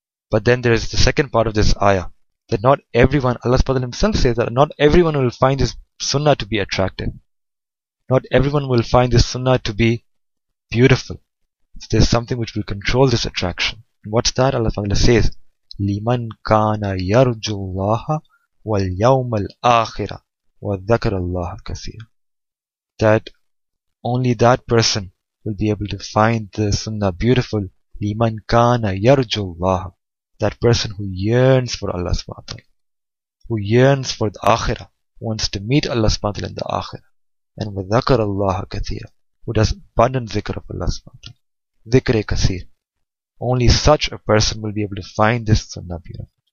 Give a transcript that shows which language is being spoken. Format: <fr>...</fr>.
<en>But then there is the second part of this ayah, that not everyone, Allah subhanahu wa ta'ala himself says that not everyone will find this sunnah to be attractive. Not everyone will find this sunnah to be beautiful. So there's something which will control this attraction. And what's that? Allah says,</en> <ar>لِمَنْ كَانَ يَرْجُ اللَّهَ وَالْيَوْمَ الْآخِرَةِ وَذَكَرَ اللَّهَ كَثِيرًا.</ar> <en>That only that person will be able to find the sunnah beautiful.</en> <ar>لِمَنْ كَانَ يَرْجُ اللَّهَ.</ar> <en>That person who yearns for Allah subhanahu wa ta'ala, who yearns for the akhirah, wants to meet Allah subhanahu wa ta'ala in the akhirah. And with dhakar Allah kathir, who does abundant dhikr of Allah subhanahu wa ta'ala, dhikr kathir, only such a person will be able to find this sunnah beautiful.</en>